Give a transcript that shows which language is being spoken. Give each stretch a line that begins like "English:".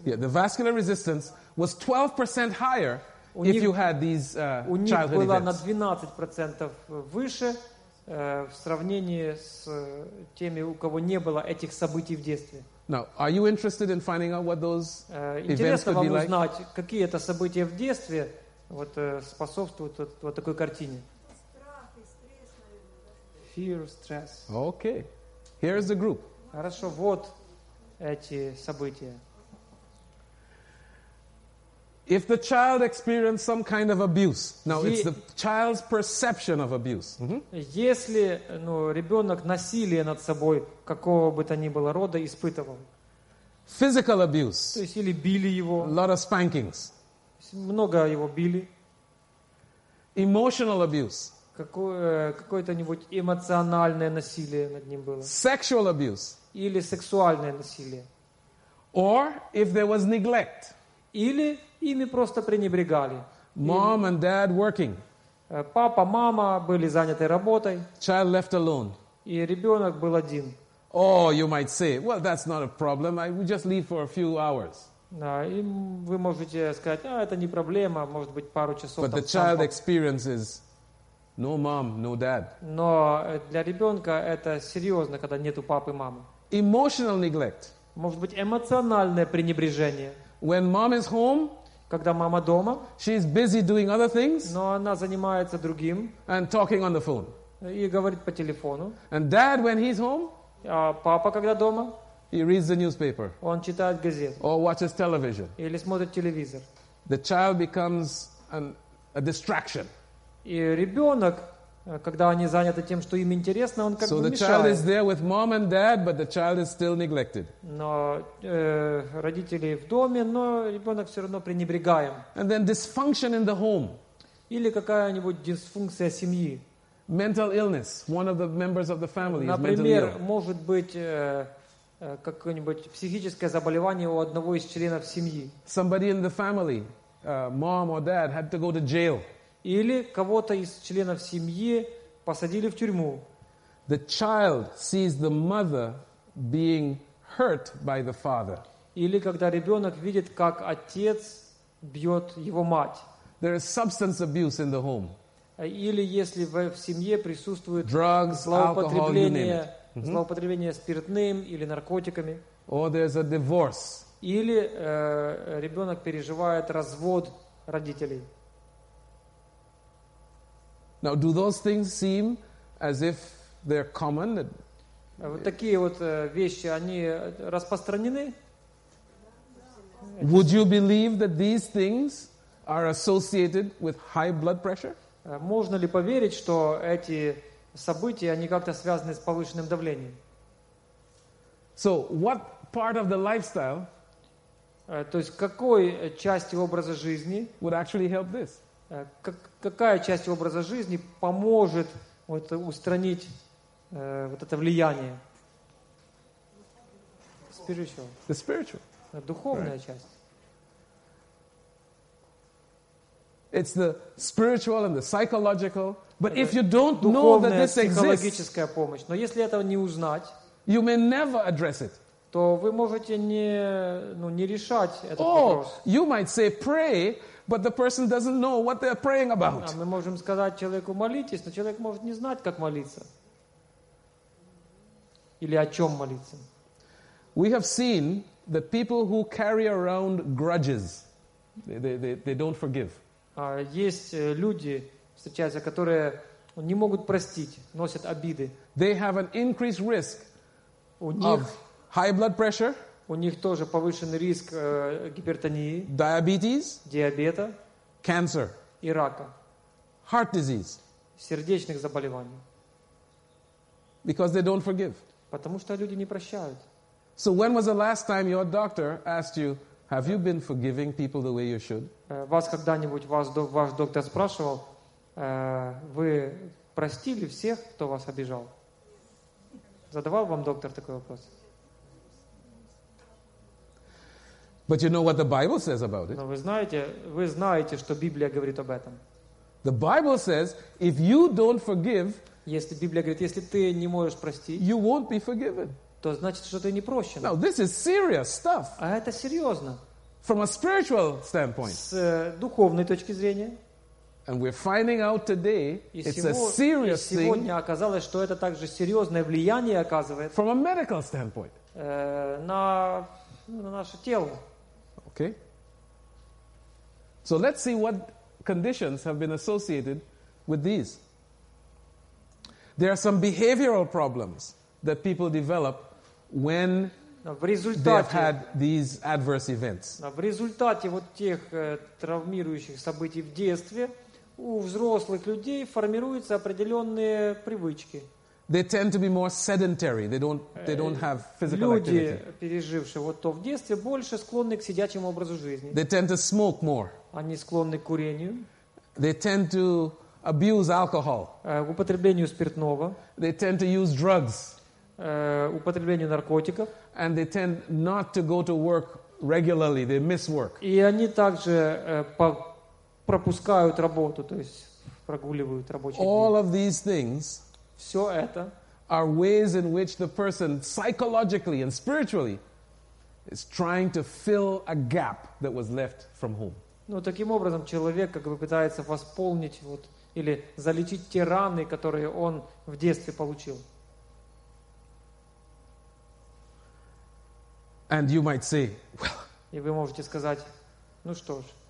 English: Yeah, the vascular resistance was 12% higher if you had these childhood events.
Russian: У них было на 12% выше в сравнении с теми, у кого не было этих событий в детстве.
English: Now, are you interested in finding out what those events could be like?
Russian: Интересно вам узнать, какие это события в детстве вот способствуют вот такой картине.
English: Fear, stress. Okay. Here is the group.
Russian: Хорошо, вот эти события.
English: If the child experienced some kind of abuse, now it's the child's perception of abuse. Mm-hmm.
Russian: Если, ну, ребенок насилие над собой какого бы то ни было рода испытывал.
English: Physical abuse.
Russian: То есть или били его.
English: A lot of spankings.
Russian: Много его били.
English: Emotional abuse.
Russian: Какое-то-нибудь эмоциональное насилие над ним было.
English: Sexual abuse.
Russian: Или сексуальное насилие.
English: Or if there was neglect.
Russian: Или ими просто пренебрегали.
English: Mom and dad working.
Russian: Папа, мама были заняты работой.
English: Child left alone.
Russian: И ребенок был один.
English: Oh, you might say, well, that's not a problem. I would just leave for a few hours.
Russian: Да, и вы можете сказать, а это не проблема, может быть, пару часов.
English: But
Russian: там,
English: the child experiences no mom, no dad.
Russian: Но для ребенка это серьезно, когда нету папы, мамы.
English: Emotional neglect.
Russian: Может быть, эмоциональное пренебрежение.
English: When mom is home,
Russian: когда мама дома,
English: she is busy doing other things,
Russian: но она занимается другим,
English: and talking on the phone,
Russian: и говорит по телефону.
English: And dad, when he's home,
Russian: а папа когда дома,
English: he reads the newspaper,
Russian: он читает газету,
English: or watches television,
Russian: или смотрит телевизор.
English: The child becomes a distraction.
Russian: И ребенок, когда они заняты тем, что им интересно, он как бы мешает.
English: Child is there with mom and dad, but the child is still neglected.
Russian: Но родители в доме, но ребенок все равно пренебрегаем.
English: And then dysfunction in the home.
Russian: Или какая-нибудь дисфункция семьи.
English: Mental illness. One of the members of the family is mentally ill.
Russian: Например, может быть какое-нибудь психическое заболевание у одного из членов семьи.
English: Somebody in the family, mom or dad, had to go to jail.
Russian: Или кого-то из членов семьи посадили в тюрьму.
English: The child sees the mother being hurt by the father.
Russian: Или когда ребенок видит, как отец бьет его мать.
English: There is substance abuse in the home.
Russian: Или если в семье присутствует
English: drugs,
Russian: злоупотребление,
English: alcohol, you name it. Mm-hmm.
Russian: Злоупотребление спиртным или наркотиками.
English: Or there's a divorce.
Russian: Или ребенок переживает развод родителей.
English: Now, do those things seem as if they're common?
Russian: Вот такие вот вещи, они распространены?
English: Would you believe that these things are associated with high blood pressure?
Russian: Можно ли поверить, что эти события, они как-то связаны с повышенным давлением?
English: So, what part of the lifestyle?
Russian: То есть, какой части образа жизни
English: would actually help this?
Russian: Какая часть образа жизни поможет вот устранить вот это влияние?
English: Spiritual. The spiritual.
Russian: Духовная
English: right.
Russian: часть.
English: It's the spiritual and the psychological. But if you don't know that this exists,
Russian: духовная психологическая помощь. Но если этого не узнать,
English: you may never address it.
Russian: То вы можете не решать этот вопрос.
English: You might say pray. But the person doesn't know what they're praying about.
Russian: Мы можем сказать человеку молитесь, но человек может не знать, как молиться. или о чем молиться.
English: We have seen the people who carry around grudges. They don't forgive.
Russian: Есть люди, встречаются, которые не могут простить, носят обиды.
English: They have an increased risk of high blood pressure.
Russian: У них тоже повышенный риск гипертонии.
English: Diabetes.
Russian: Диабета.
English: Cancer.
Russian: И рака.
English: Heart disease.
Russian: Сердечных заболеваний.
English: Because they don't forgive.
Russian: Потому что люди не прощают.
English: So when was the last time your doctor asked you, have you been forgiving people the way you should?
Russian: Вас когда-нибудь ваш доктор спрашивал, вы простили всех, кто вас обижал? Задавал вам доктор такой вопрос?
English: But you know what the Bible says about it.
Russian: Но вы знаете, что Библия говорит об этом.
English: The Bible says, if you don't forgive,
Russian: если Библия говорит, если ты не можешь простить,
English: you won't be forgiven.
Russian: То значит, что ты не прощен.
English: Now, this is serious stuff.
Russian: А это серьезно.
English: From a spiritual standpoint.
Russian: С духовной точки зрения.
English: And we're finding out today, it's a serious thing.
Russian: И сегодня оказалось, что это также серьезное влияние оказывает.
English: From a medical standpoint.
Russian: На наше тело.
English: Okay. So let's see what conditions have been associated with these. There are some behavioral problems that people develop when they have had these adverse events.
Russian: В результате вот тех травмирующих событий в детстве у взрослых людей формируются определенные привычки.
English: They tend to be more sedentary. They don't have physical
Russian: люди,
English: activity.
Russian: Люди, пережившие вот то в детстве, больше склонны к сидячему образу жизни.
English: They tend to smoke more.
Russian: Они склонны к курению.
English: They tend to abuse alcohol.
Russian: Употреблению спиртного.
English: They tend to use drugs.
Russian: Употреблению наркотиков.
English: And they tend not to go to work regularly. They miss work.
Russian: И они также пропускают работу, то есть прогуливают рабочие.
English: All of these things.
Russian: Все это
English: are ways in which the person psychologically and spiritually is trying to fill a gap that was left from home.
Russian: Ну, таким образом, человек как бы пытается восполнить вот или залечить те раны, которые он в детстве получил.
English: And you might say, well,
Russian: и вы можете сказать, ну что ж,